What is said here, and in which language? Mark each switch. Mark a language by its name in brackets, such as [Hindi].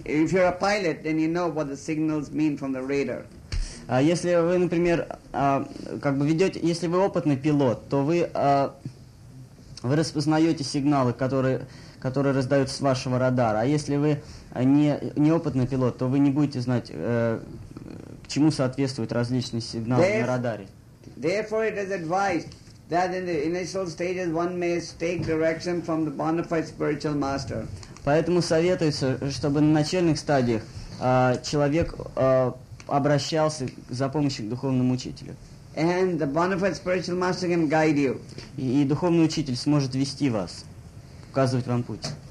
[English] If you're a pilot, then you know what the signals mean from the radar. [Russian] Если вы, например, как бы ведете, если вы опытный пилот, то вы распознаете сигналы, которые раздаются с вашего радара. А если вы неопытный пилот, то вы не будете знать, к чему соответствуют различные сигналы на радаре. [English] Therefore, it is advised that in the initial stages one may take direction from the bona fide spiritual master. [Russian] Поэтому советуется, чтобы на начальных стадиях человек обращался за помощью к духовному учителю. [English] And the bona fide spiritual master can guide you. [Russian] И духовный учитель сможет вести вас. Указывать вам путь.